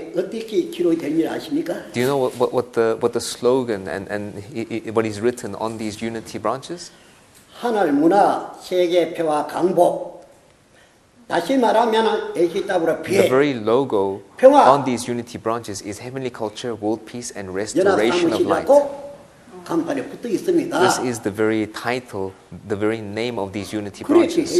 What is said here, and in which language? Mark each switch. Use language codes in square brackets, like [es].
[en] Do you know what the slogan and what is written on these unity branches? [ko] 하늘 문화 세계 평화 강복. 다시 말하면 HWP. [en] The very logo on these unity branches is Heavenly Culture, World Peace, and Restoration of Light. This is the very title, the very name of these unity branches.